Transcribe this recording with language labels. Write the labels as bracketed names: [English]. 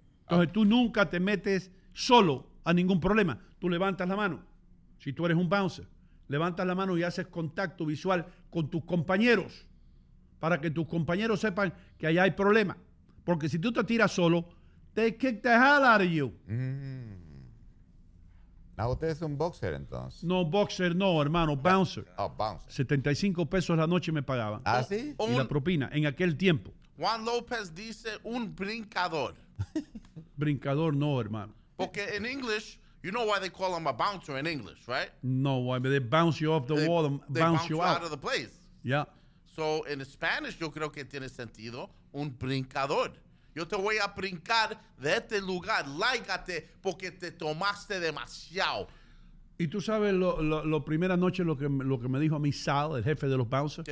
[Spanish] Entonces tú nunca te metes solo a ningún problema. Tú levantas la mano. Si tú eres un bouncer, levantas la mano y haces contacto visual con tus compañeros para que tus compañeros sepan que allá hay problema. Porque si tú te tiras solo, [English] they kick the hell out of you. [Spanish] ¿No, usted es un boxer entonces? No, boxer no, hermano, bouncer. [English] Oh, bouncer. [Spanish] 75 pesos la noche me pagaban. ¿Ah, sí? Y la propina, en aquel tiempo. Juan López dice un brincador. Brincador no, hermano. [English] Porque in English, you know why they call him a bouncer in English, right? No, why, but they bounce you off the wall, they bounce you out. Out of the place. Yeah. So in Spanish, [Spanish] yo creo que tiene sentido un brincador. Yo te voy a brincar de este lugar. Láigate porque te tomaste demasiado. Y tú sabes, la primera noche lo que me dijo a mí Sal, el jefe de los bouncers.